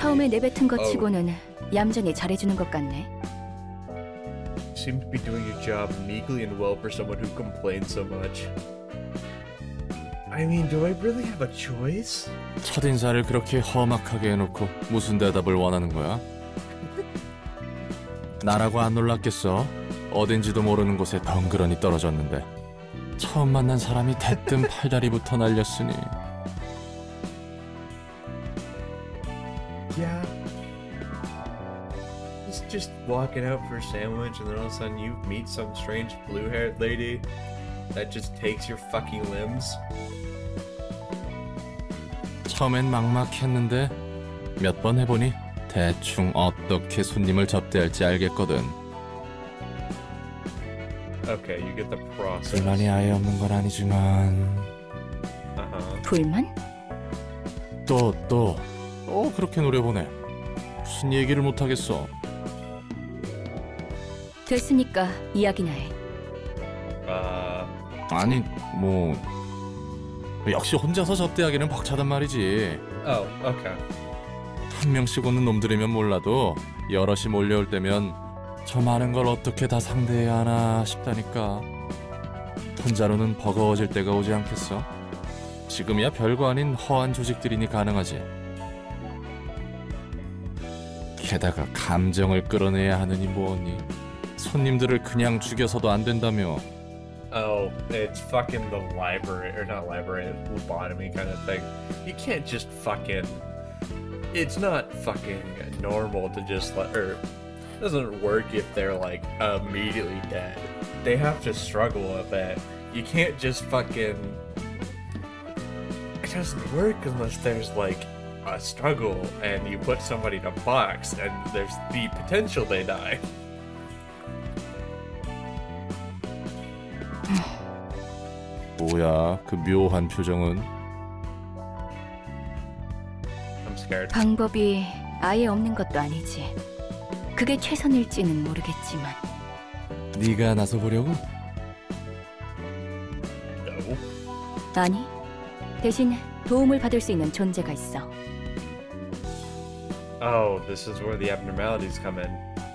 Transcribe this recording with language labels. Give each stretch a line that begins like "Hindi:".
Korean: 처음에 내뱉은 것 치고는 얌전히 잘해주는 것 같네.
English: seem to be doing your job meekly and well for someone who complains so much. I mean, do I really have a choice?
Korean: 첫인사를 그렇게 험악하게 해놓고 무슨 대답을 원하는 거야? 나라고 안 놀랐겠어? 어딘지도 모르는 곳에 덩그러니 떨어졌는데 처음 만난 사람이 대뜸 팔다리부터 날렸으니.
English: Yeah. He's just walking out for a sandwich and then all of a sudden you meet some strange blue-haired lady that just takes your fucking limbs.
Korean: 처음엔 막막했는데 몇 번 해보니 대충 어떻게 손님을 접대할지 알겠거든.
English: Okay, you get the process.
Korean: 불만이 아예 없는 건 아니지만. 불만? 또. 어, 그렇게 노려보네. 무슨 얘기를 못 하겠어. 됐으니까 이야기나 해. 아니, 뭐 역시 혼자서 접대하기는 벅차단 말이지.
English: Oh, okay.
Korean: 한 명씩 오는 놈들이면 몰라도 여럿이 몰려올 때면 저 많은 걸 어떻게 다 상대해야 하나 싶다니까. 혼자로는 버거워질 때가 오지 않겠어? 지금이야 별거 아닌 허한 조직들이니 가능하지. 게다가 감정을 끌어내야 하느니 뭐니. 손님들을 그냥 죽여서도 안 된다며.
English: Oh, it's fucking the library, or not library, lobotomy kind of thing. You can't just fucking... It's not fucking normal to just let her... doesn't work if they're like immediately dead. They have to struggle a bit. You can't just fucking... It doesn't work unless there's like a struggle and you put somebody in a box and there's the potential they die.
Korean: 뭐야, 그 묘한 표정은?
English: I'm scared.
Korean: 방법이 아예 없는 것도 아니지. 그게 최선일지는 모르겠지만. 네가 나서 보려고?
English: No.
Korean: 아니, 대신 도움을 받을 수 있는 존재가 있어.
English: Oh, this is where the abnormalities come in.